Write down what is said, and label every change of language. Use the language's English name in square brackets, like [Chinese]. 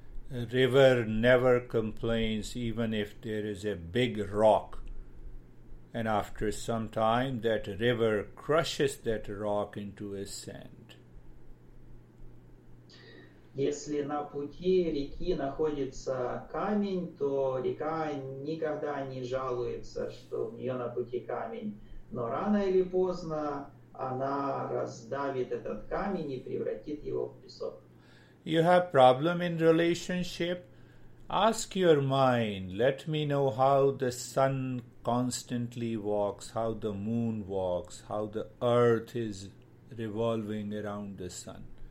[English] River never complains even if there is a big rock, and after some time that river crushes that rock into a sand. [Russian] Если на пути реки находится камень, то река никогда не жалуется, что у нее на пути камень. Но рано или поздно она раздавит этот камень и превратит его в песок. [English] You have problem in relationship? Ask your mind, let me know how the sun constantly walks, how the moon walks, how the earth is revolving around the sun.